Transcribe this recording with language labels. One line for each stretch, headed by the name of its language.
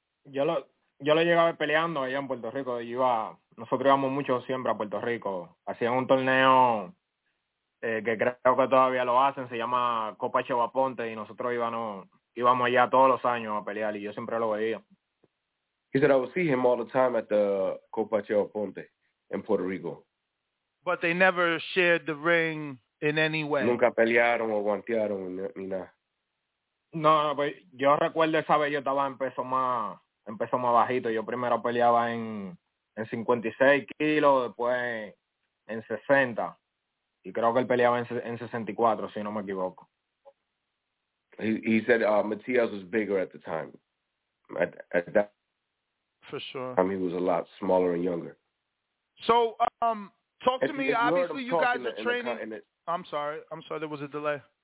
Spanish: Yo lo llegaba peleando allá en Puerto Rico. Nosotros íbamos mucho siempre a Puerto Rico. Hacían un torneo que creo que todavía lo hacen. Se llama Copa Chevaponte y nosotros íbamos allá todos los años a pelear y yo siempre lo veía.
English: He said, I would see him all the time at the Copa Chevaponte in Puerto Rico. But they never shared the ring in any way.
Spanish: Nunca pelearon o guantearon ni nada. No, pues yo recuerdo esa vez yo estaba en peso más bajito. Yo primero peleaba en 56 kilos, después en 60. Y creo que él peleaba en 64, si no me equivoco.
English: He said Matias was bigger at the time. At that for sure. I mean, he was a lot smaller and younger. So talk to me. Obviously, you guys are training. I'm sorry. There was a delay.